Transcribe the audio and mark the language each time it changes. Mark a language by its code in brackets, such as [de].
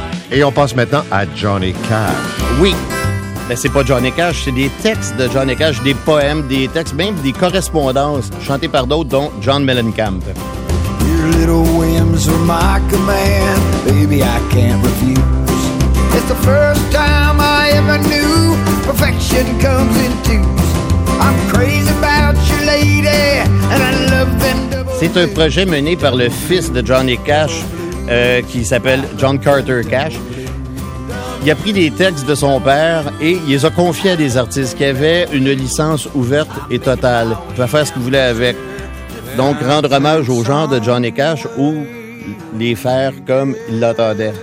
[fr] Et on passe maintenant à Johnny Cash. Oui, mais c'est pas Johnny Cash, c'est des textes de Johnny Cash, des poèmes, des textes, même des correspondances chantées par d'autres, dont John Mellencamp. [en] Your little whims are my command, baby I can't refuse. It's the first time I ever knew. Perfection comes in twos. I'm crazy about you, lady, and I love them double. [fr] C'est un projet mené par le fils de Johnny Cash, qui s'appelle John Carter Cash. Il a pris des textes de son père et il les a confiés à des artistes qui avaient une licence ouverte et totale. Il pouvait faire ce qu'il voulait avec. Donc, rendre hommage au genre de Johnny Cash ou les faire comme il l'entendait.